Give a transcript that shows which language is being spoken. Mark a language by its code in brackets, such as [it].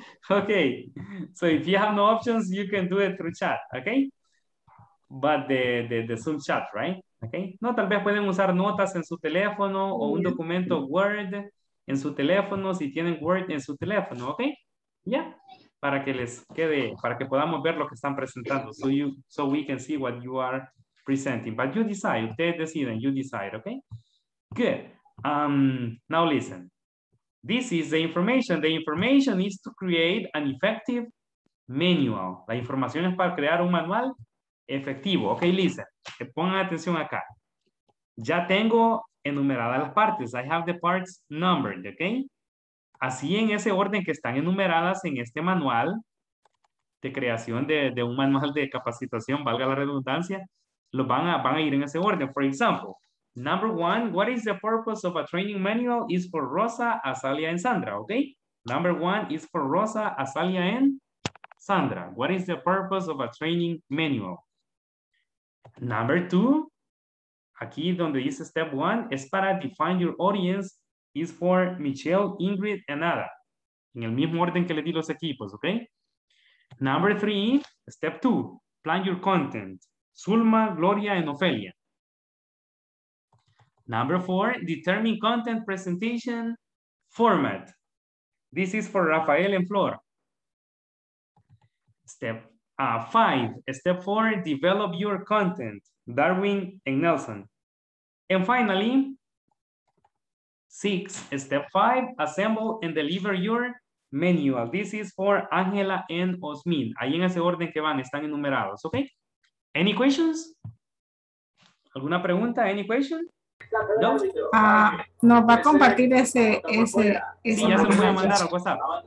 [en] Okay, so if you have no options, you can do it through chat, okay? But the Zoom chat, right? [es] Okay, no, tal vez pueden usar notas en su teléfono o un documento Word en su teléfono, si tienen Word en su teléfono, okay? Yeah, para que les quede, para que podamos ver lo que están presentando. [en] So we can see what you are presenting, but you decide, [es] ustedes deciden, [en] you decide, okay? Good. Now listen. This is the information. The information is to create an effective manual. [es] La información es para crear un manual efectivo. [en] Okay, listen. [es] Pongan atención acá. Ya tengo enumeradas las partes. [en] I have the parts numbered, okay? [es] Así en ese orden que están enumeradas en este manual de creación de un manual de capacitación, valga la redundancia. Lo van a ir en ese orden. [en] For example, number one, what is the purpose of a training manual is for Rosa, Azalia, and Sandra, okay? Number one is for Rosa, Azalia, and Sandra. What is the purpose of a training manual? Number two, [es] aquí donde dice [en] step one, [es] es para [en] define your audience, is for Michelle, Ingrid, and Ada. [es] En el mismo orden que le di los equipos, okay? [en] Number three, step two, plan your content. Zulma, Gloria, and Ophelia. Number four, determine content presentation format. This is for Rafael and Flor. Step four, develop your content, Darwin and Nelson. And finally, six, step five, assemble and deliver your manual. This is for Angela and Osmin. [es] Ahí en ese orden que van, están enumerados, okay? [en] Any questions? [es] ¿Alguna pregunta? [en] Any question? [es] No. Nos va a compartir ese. Sí, ya se lo voy a mandar a WhatsApp.